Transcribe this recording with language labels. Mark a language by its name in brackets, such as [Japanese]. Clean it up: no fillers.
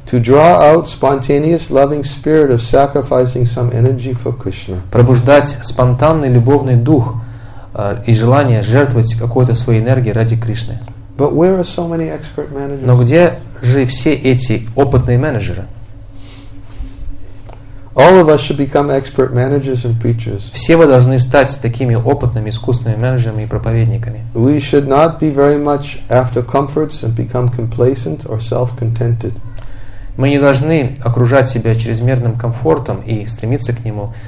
[English] To draw out spontaneous loving spirit of sacrificing some energy for Krishna. [Russian] Пробуждать спонтанный любовный дух и желание жертвовать какой-то своей энергией ради Кришны. [English] But where are so many expert managers? [Russian] Но где же все эти опытные менеджеры? [English] All of us should become expert managers and preachers. [Russian] Все вы должны стать такими опытными, искусными менеджерами и проповедниками. [English] We should not be very much after comforts and become complacent or self-contented. [Russian] Мы не должны окружать себя чрезмерным комфортом и стремиться к нему.